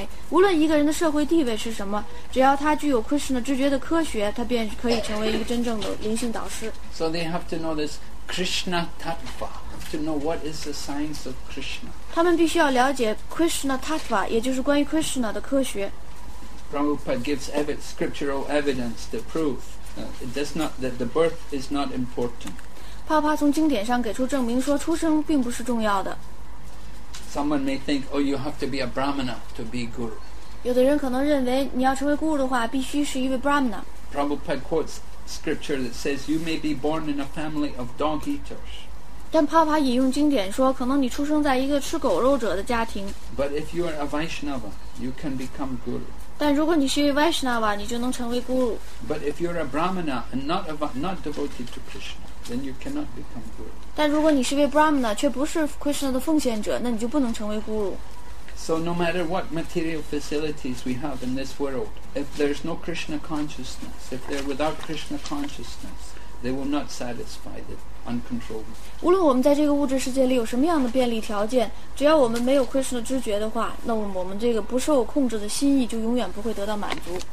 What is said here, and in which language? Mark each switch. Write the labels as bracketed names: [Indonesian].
[Chinese] 无论一个人的社会地位是什么，只要他具有 Krishna 知觉的科学，他便可以成为一个真正的灵性导师。 [English] So they have to know this Krishna Tattva, to know what is the science of Krishna. [Chinese] 他们必须要了解 Krishna Tattva, 也就是关于 Krishna 的科学。 [English] Prabhupada gives scriptural evidence to prove that the birth is not important. [Chinese] 帕帕从经典上给出证明，说出生并不是重要的。 [English] Someone may think, oh, you have to be a brahmana to be guru. [Chinese] 有的人可能认为，你要成为 guru 的话，必须是一位 brahmana。 [English] Prabhupada quotes scripture that says, you may be born in a family of dog eaters. [Chinese] 但帕帕引用经典说，可能你出生在一个吃狗肉者的家庭。 [English] But if you are a Vaishnava, you can become guru. [Chinese] 但如果你是一位 Vaishnava, 你就能成为 guru. [English] But if you're a brahmana and not devoted to Krishna, then you cannot become guru. [Chinese] 但如果你是一位 brahmana, 却不是 Krishna 的奉献者，那你就不能成为 guru. [English] So no matter what material facilities we have in this world, if there's no Krishna consciousness, if they're without Krishna consciousness, they will not satisfy the uncontrolled. [Chinese] 无论我们在这个物质世界里有什么样的便利条件，只要我们没有 Krishna 知觉的话，那我们这个不受控制的心意就永远不会得到满足。